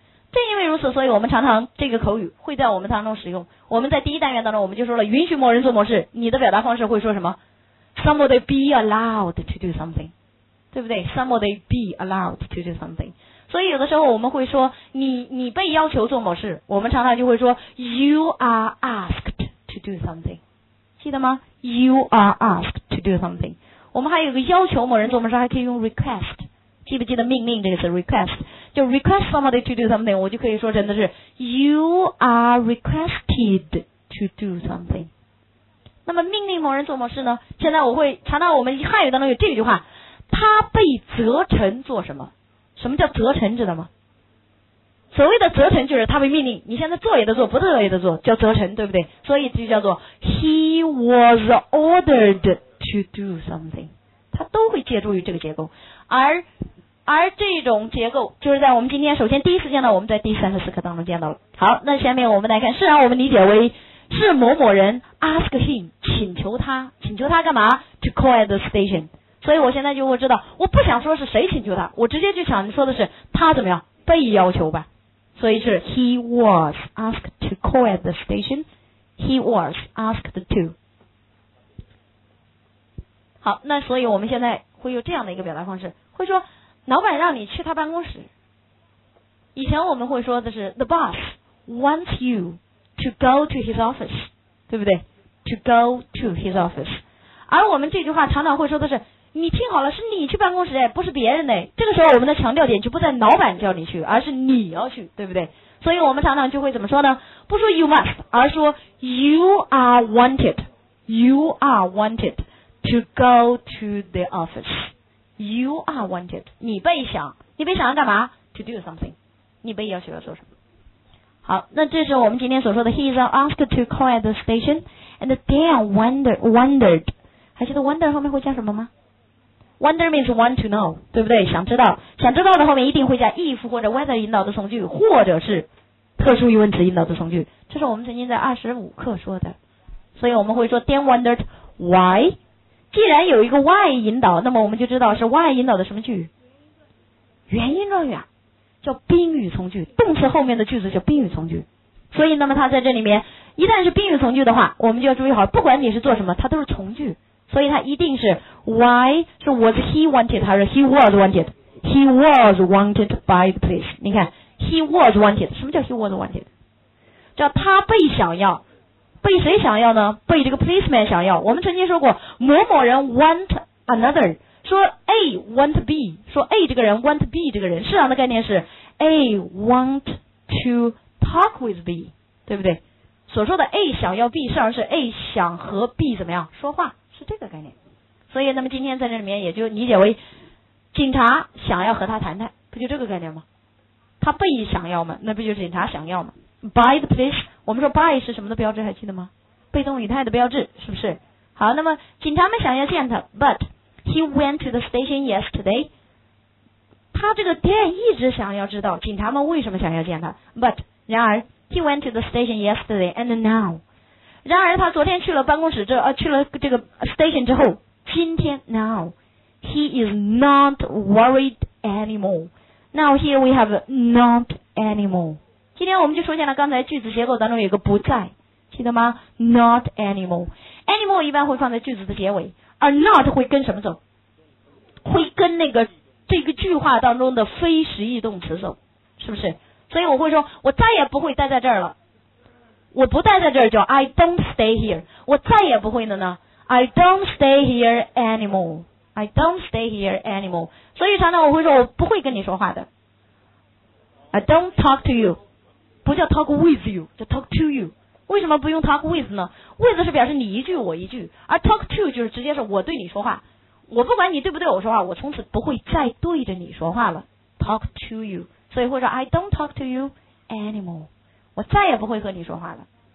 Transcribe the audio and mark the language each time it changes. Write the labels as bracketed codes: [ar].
[zh] 正因为如此所以我们常常这个口语会在我们当中使用我们在第一单元当中我们就说了允许某人做某事你的表达方式会说什么 [en] Somebody be allowed to do something [zh] 对不对 Somebody be allowed to do something 所以有的时候我们会说你被要求做某事我们常常就会说 [en] You are asked to do something [zh] 记得吗 You are asked to do something 我们还有一个要求某人做某事还可以用 request 记不记得命令这个词 request， 就 [en] request somebody to do something， [zh] 我就可以说真的是 [en] you are requested to do something。 [zh] 那么命令某人做某事呢，现在我会强调我们汉语当中有这句话，他被责成做什么。什么叫责成知道吗？所谓的责成就是他被命令，你现在做也得做，不做也得做，叫责成，对不对？所以就叫做 [en] he was ordered to do something， [zh] 他都会借助于这个结构。而这种结构就是在我们今天首先第一次见到，我们在第三十四课当中见到了。好，那下面我们来看，是让我们理解为是某某人 [en] ask him， [zh] 请求他，请求他干嘛？ [en] to call at the station。 [zh] 所以我现在就会知道，我不想说是谁请求他，我直接就想说的是他怎么样被要求吧。所以是 [en] he was asked to call at the station， he was asked to。 [zh] 好，那所以我们现在会有这样的一个表达方式，会说老板让你去他办公室。以前我们会说的是 [en] the boss wants you to go to his office， [zh] 对不对？ [en] to go to his office。 [zh] 而我们这句话常常会说的是，你听好了，是你去办公室，不是别人。这个时候我们的强调点就不在老板叫你去，而是你要去，对不对？所以我们常常就会怎么说呢，不说 [en] you must， 而说 you are wanted， you are wanted to go to the office， you are wanted， [zh] 你被想，你被想要干嘛？ [en] to do something， [zh] 你被要求要做什么。好，那这是我们今天所说的 [en] he is asked to call at the station and Dan wondered， 还记得 wonder 后面会加什么吗？ Wonder means want to know， [zh] 对不对？想知道，想知道的后面一定会加 if 或者 whether 引导的从句，或者是特殊疑问词引导的从句。这是我们曾经在25课说的，所以我们会说 [en] Dan wondered why。 [zh] 既然有一个 why 引导，那么我们就知道是 why 引导的什么句，原因状语啊，叫宾语从句，动词后面的句子叫宾语从句。所以那么它在这里面一旦是宾语从句的话，我们就要注意好，不管你是做什么它都是从句，所以它一定是 why， 是 was he wanted 还是 he was wanted， [en] he was wanted by the police。 [zh] 你看 [en] he was wanted， [zh] 什么叫 [en] he was wanted？ [zh] 叫他被想要，被谁想要呢？被这个 policeman 想要。我们曾经说过某某人 want another， 说 A want B， 说 A 这个人 want B 这个人，实际上的概念是 [en] A want to talk with B， [zh] 对不对？所说的 A 想要 B， 实际上是 A 想和 B 怎么样说话，是这个概念。所以那么今天在这里面也就理解为警察想要和他谈谈，不就这个概念吗？他被想要吗？那不就是警察想要吗？ [en] by the police， [zh] 我们说 by 是什么的标志还记得吗？被动语态的标志，是不是？好，那么警察们想要见他， [en] but he went to the station yesterday， [zh] 他这个 Dan 一直想要知道警察们为什么想要见他， but 然而 he went to the station yesterday and now，然而他昨天去了办公室之后，去了这个 station 之后，今天 [en] now he is not worried anymore。 now here we have not anymore。 [zh] 今天我们就出现了刚才句子结构当中有一个不在，记得吗？ not anymore， anymore 一般会放在句子的结尾，而 not 会跟什么走？会跟那个这个句话当中的非实义动词走，是不是？所以我会说我再也不会待在这儿了，我不待在这儿叫 [en] I don't stay here， [zh] 我再也不会的呢 [en] I don't stay here anymore， I don't stay here anymore。 [zh] 所以常常我会说我不会跟你说话的， [en] I don't talk to you， [zh] 不叫 talk with you， 叫 talk to you。为什么不用 talk with 呢？with 是表示你一句我一句，而 talk to 就是直接是我对你说话，我不管你对不对我说话，我从此不会再对着你说话了， [en] talk to you。 [zh] 所以会说 [en] I don't talk to you anymore， [zh] 我再也不会和你说话了。